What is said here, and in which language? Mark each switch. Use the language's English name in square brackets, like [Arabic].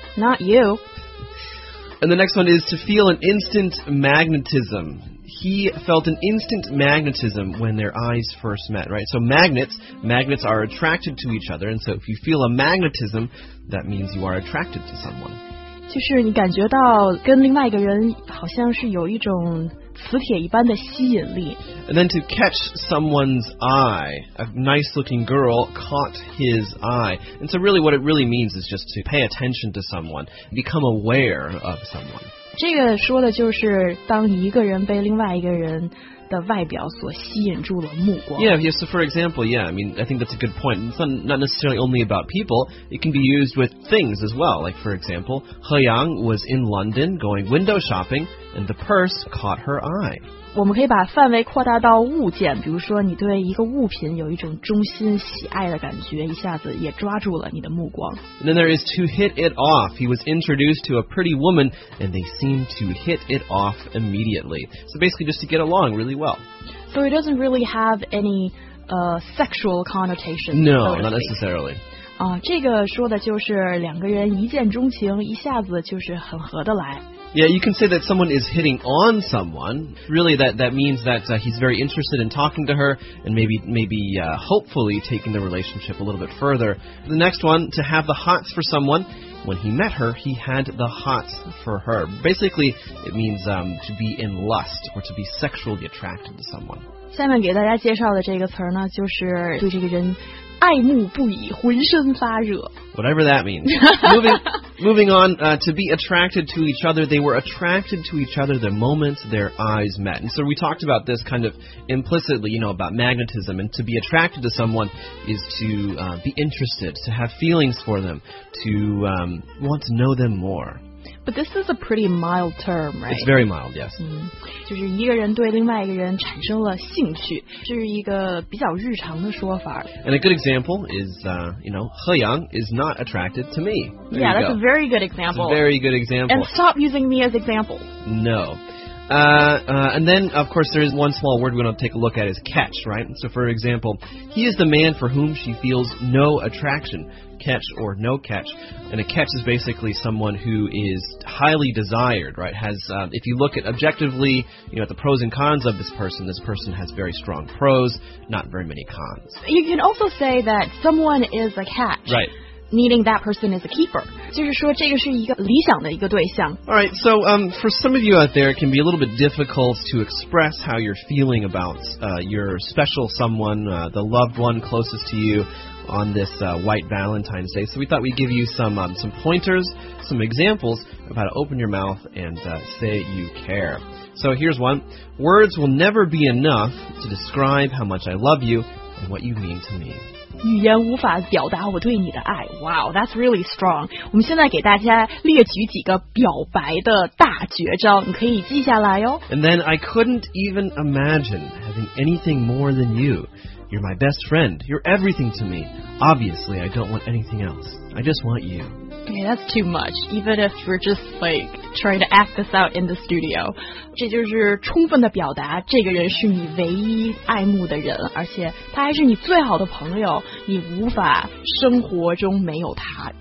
[English] Not you. And the next one is to feel an instant magnetism. He felt an instant magnetism when their eyes first met, right? So magnets are attracted to each other, and so if you feel a magnetism, that means you are attracted to someone. [Chinese] 就是你感觉到跟另外一个人好像是有一种磁铁一般的吸引力。 [English] And then to catch someone's eye, a nice looking girl caught his eye. And so really what it really means is just to pay attention to someone, become aware of someone. [Chinese] 这个说的就是当一个人被另外一个人的外表所吸引住了目光。 [English] Yeah, yes, so for example, yeah, I mean, I think that's a good point. It's not necessarily only about people. It can be used with things as well. Like, for example, He Yang was in London going window shopping, and the purse caught her eye. [Chinese] 我们可以把范围扩大到物件，比如说你对一个物品有一种忠心喜爱的感觉，一下子也抓住了你的目光。 [English] And then there is to hit it off. He was introduced to a pretty woman, and they seemed to hit it off immediately. So basically just to get along really well. So it doesn't really have any sexual connotation. No, not necessarily. [Chinese] 这个说的就是两个人一见钟情，一下子就是很合得来。 [English] Yeah, you can say that someone is hitting on someone. Really, that means that he's very interested in talking to her and maybe hopefully taking the relationship a little bit further. The next one, to have the hots for someone. When he met her, he had the hots for her. Basically, it means to be in lust or to be sexually attracted to someone. [Chinese] 下面给大家介绍的这个词呢，就是对这个人爱慕不已，浑身发热。 [English] Whatever that means. Moving on, to be attracted to each other, they were attracted to each other the moment their eyes met. And so we talked about this kind of implicitly, you know, about magnetism. And to be attracted to someone is to be interested, to have feelings for them, to want to know them more. But this is a pretty mild term, right? It's very mild, yes. [Chinese] 就是一个人对另外一个人产生了兴趣，这是一个比较日常的说法。 [English] And a good example is, you know, He Yang is not attracted to me. There yeah, that's a very good example. It's a very good example. And stop using me as example. No. And then, of course, there is one small word we're going to take a look at is catch, right? So, for example, he is the man for whom she feels no attraction, catch or no catch. And a catch is basically someone who is highly desired, right? If you look at objectively, you know, at the pros and cons of this person has very strong pros, not very many cons. You can also say that someone is a catch. Right. Meaning that person is a keeper. [Chinese] 就是说这个是一个理想的一个对象。 [English] Alright, so for some of you out there, it can be a little bit difficult to express how you're feeling about your special someone, the loved one closest to you on this White Valentine's Day. So we thought we'd give you some pointers, some examples of how to open your mouth and say you care. So here's one. Words will never be enough to describe how much I love you and what you mean to me. [Chinese] 语言无法表达我对你的爱 [English] Wow, that's really strong [Chinese] 我们现在给大家列举几个表白的大绝招你可以记下来哦 [English] And then I couldn't even imagine having anything more than you You're my best friend, you're everything to me Obviously, I don't want anything else I just want you Okay, that's too much, even if we're just, like, trying to act this out in the studio. [Chinese] 这就是充分的表达这个人是你唯一爱慕的人而且他还是你最好的朋友你无法生活中没有他。